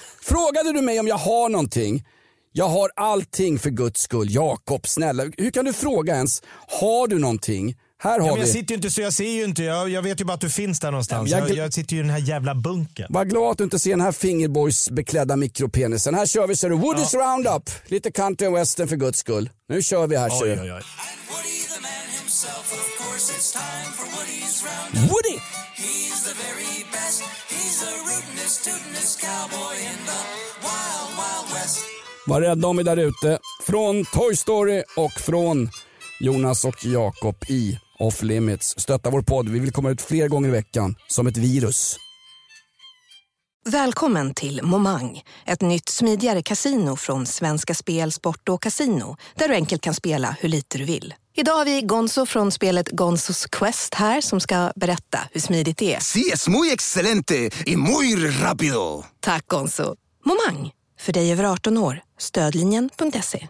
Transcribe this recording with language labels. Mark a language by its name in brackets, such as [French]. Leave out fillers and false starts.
[Swedish] Frågade du mig om jag har någonting? Jag har allting för Guds skull, Jakob, snälla. Hur kan du fråga ens, har du någonting? Här har ja, vi. Jag sitter ju inte så, jag ser ju inte. Jag vet ju bara att du finns där någonstans. Ja, jag sitter ju i den här jävla bunken. Var glad att du inte ser den här fingerboys beklädda mikropenisen. Här kör vi, så du. Woody's Roundup. Lite [English] country and western [Swedish] för Guds skull. Nu kör vi här, kör vi. [English] Woody the man himself, of course it's time for Woody's Roundup. Woody! He's the very best. He's the rootinest, tootinest cowboy in the wild, wild west. [Swedish] Var rädda om er där ute. Från Toy Story och från Jonas och Jakob i Off Limits. Stötta vår podd. Vi vill komma ut fler gånger i veckan som ett virus. Välkommen till Momang. Ett nytt smidigare kasino från Svenska Spel, Sport och Casino. Där du enkelt kan spela hur lite du vill. Idag har vi Gonzo från spelet Gonzos Quest här som ska berätta hur smidigt det är. [Spanish] Sí, es muy excelente y muy rápido. [Swedish] Tack Gonzo. Momang. För dig över 18 år. Stödlinjen.se.